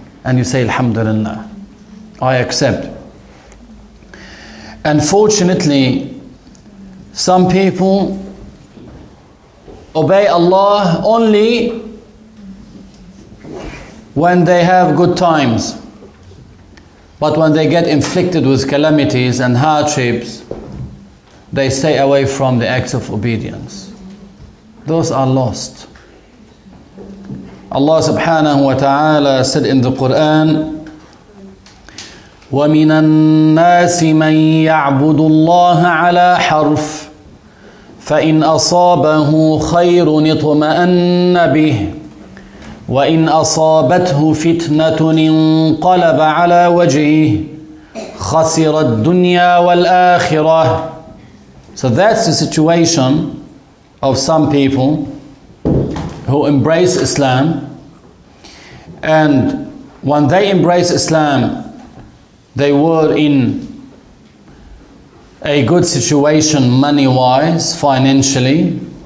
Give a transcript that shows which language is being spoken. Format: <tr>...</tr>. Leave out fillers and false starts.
<en>And you say, Alhamdulillah, I accept. Unfortunately, some people obey Allah only when they have good times. But when they get inflicted with calamities and hardships, they stay away from the acts of obedience. Those are lost. Allah subhanahu wa ta'ala said in the Quran,</en> <ar>وَمِنَ النَّاسِ مَنْ يَعْبُدُ اللَّهَ عَلَىٰ حَرْفٍ فَإِنْ أَصَابَهُ خَيْرٌ اطْمَأَنَّ بِهِ وَإِنْ أَصَابَتْهُ فِتْنَةٌ انْقَلَبَ عَلَىٰ وَجْهِهِ خَسِرَ الدُّنْيَا وَالْآخِرَةِ.</ar> <en>So that's the situation of some people who embrace Islam, and when they embrace Islam, they were in a good situation money-wise, financially,</en>